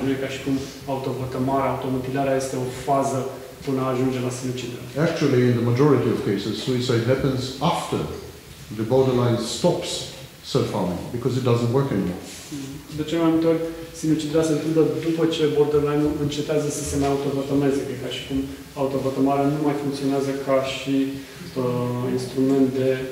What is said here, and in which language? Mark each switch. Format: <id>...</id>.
<ro>Nu e ca și cum autovătămarea, automutilarea este o fază până ajunge la sinucidere.</ro> <en>Actually, in the majority of cases, suicide happens after the borderline stops self-harming, because it doesn't work anymore.</en> <ro>De cele mai multe ori, sinucidarea se întâmplă după ce borderline-ul încetează să se mai autovătămeze, ca și cum autovătămarea nu mai funcționează ca și instrument de</ro>